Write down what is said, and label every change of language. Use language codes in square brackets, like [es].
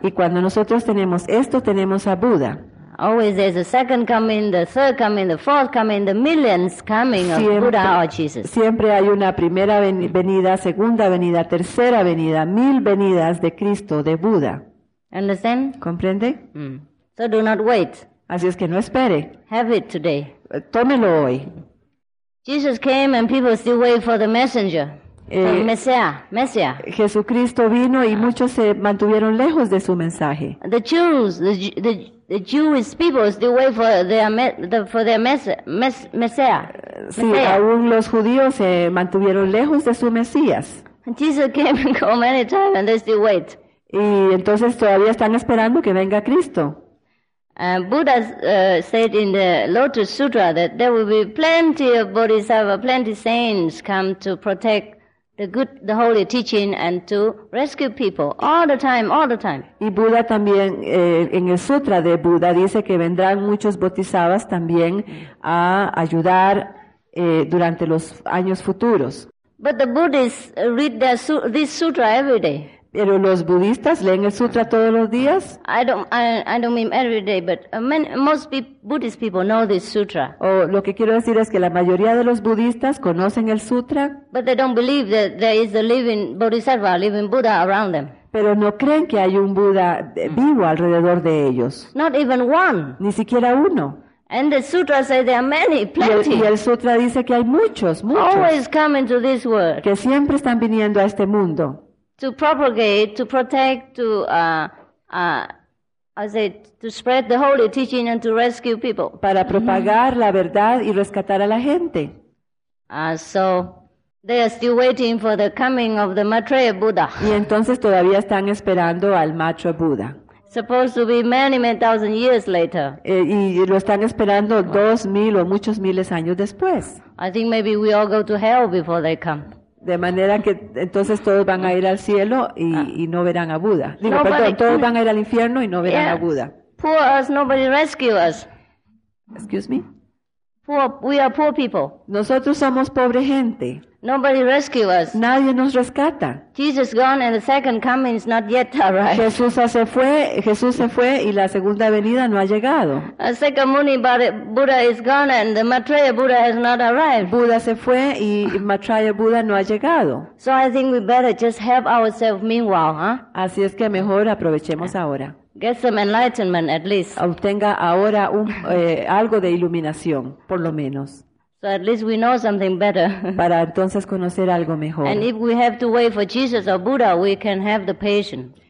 [es] Y cuando nosotros tenemos esto, tenemos a Buddha. [en] Always there's a second coming, the third coming, the fourth coming, the millions coming of [es] siempre, [en] Buddha or Jesus. [es] Siempre hay una primera venida, segunda venida, tercera venida, mil venidas de Cristo, de Buda. [en] Understand? [es] ¿Comprende? [en] So do not wait. [es] Así es que no espere. [en] Have it today. [es] Tómelo hoy. [en] Jesus came and people still wait for the messenger. Messiah. [es] Jesucristo vino y muchos se mantuvieron lejos de su mensaje. [en] The Jewish people still wait for their Messiah. [es] Sí, aún los judíos se mantuvieron lejos de su Mesías. [en] Jesus came and called many times and they still wait. [es] Y entonces todavía están esperando que venga Cristo. [en] Buddha said in the Lotus Sutra that there will be plenty of bodhisattva, plenty of saints come to protect the holy teaching and to rescue people all the time. [es] Y Buda también en el Sutra de Buda dice que vendrán muchos bodhisattvas también a ayudar durante los años futuros. [en] But the Buddhists read this sutra every day. [es] ¿Pero los budistas leen el sutra todos los días? [en] I don't mean every day, but Buddhist people know this sutra. [es] Lo que quiero decir es que la mayoría de los budistas conocen el sutra. [en] But they don't believe that there is a living bodhisattva, a living Buddha around them. [es] Pero no creen que hay un Buda vivo alrededor de ellos. [en] Not even one. [es] Ni siquiera uno. [en] And the sutra says there are many, plenty. [es] Y el sutra dice que hay muchos, muchos. [en] Always coming to this world. [es] Que siempre están viniendo a este mundo. [en] To propagate, to protect, to spread the holy teaching and to rescue people. [es] Para propagar la verdad y rescatar a la gente. [en] So they are still waiting for the coming of the Maitreya Buddha. [es] Y entonces todavía están esperando al Maitreya Buddha. [en] Supposed to be many, many thousand years later. [es] Y lo están esperando 2,000 o muchos miles años después. [en] I think maybe we all go to hell before they come. [es] De manera que entonces todos van a ir al cielo y no verán a Buda. Digo, nobody, perdón, todos van a ir al infierno y no verán a Buda. [en] Poor us, nobody rescue us. Excuse me? Poor, we are poor people. [es] Nosotros somos pobre gente. [en] Nobody rescue us. [es] Nadie nos rescata. [en] Jesus gone and the second coming is not yet arrived. [es] Jesús se fue y la segunda venida no ha llegado. [en] A second morning, Buddha is gone and the Maitreya Buddha has not arrived. [es] Buda se fue y Maitreya Buddha no ha llegado. [en] So I think we better just help ourselves meanwhile, huh? [es] Así es que mejor aprovechemos ahora. [en] Get some enlightenment at least. [es] Obtenga ahora algo de iluminación, por lo menos. [en] So at least we know something better. [es] Para entonces conocer algo mejor. [en] And if we have to wait for Jesus or Buddha, we can have the patience.